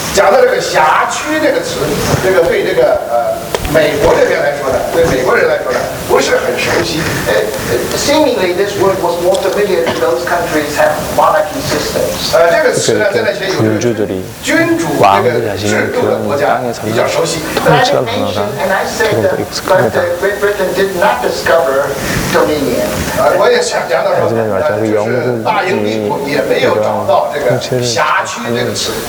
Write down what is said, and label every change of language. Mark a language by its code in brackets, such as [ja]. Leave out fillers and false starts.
[zh] 讲到这个辖区这个词，这个对这个美国这边来说呢，对美国人来说呢，不是很熟悉。 [en] Seemingly, this word was more familiar to those countries have monarchy systems. [zh] 这个词呢，在那些君主这里，君主这个制度的国家比较熟悉。通常可能呢，这个意思。 [en] But Great Britain did not discover dominion. [zh] 我也想讲到说，就是大英帝国也没有找到这个辖区这个词。